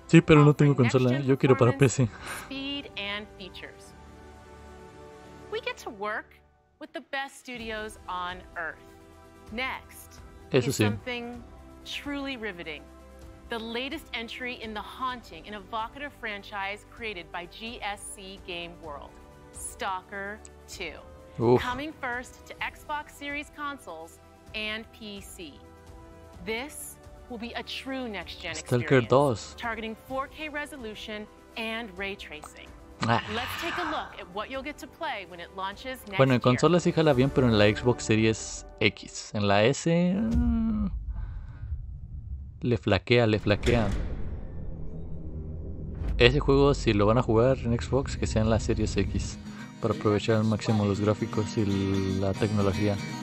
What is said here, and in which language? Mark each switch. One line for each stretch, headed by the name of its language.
Spanish: Sí, pero no tengo consola, yo quiero para PC.
English: Speed and features. We get to work with the best studios on Earth. Next,
Spanish: eso
English: is
Spanish: sí.
English: Something truly riveting. The latest entry in the haunting and evocative franchise created by GSC Game World, Stalker 2. Oof. Coming first to Xbox Series consoles and PC. This will be a true next-gen Stalker experience, 2. Targeting 4K resolution and ray tracing. Let's take a look at what you'll get to play when it launches next.
Spanish: Bueno, en consola sí jala bien, pero en la Xbox Series X, en la S le flaquea. Ese juego, si lo van a jugar en Xbox, que sea en la Series X para aprovechar al máximo los gráficos y la tecnología.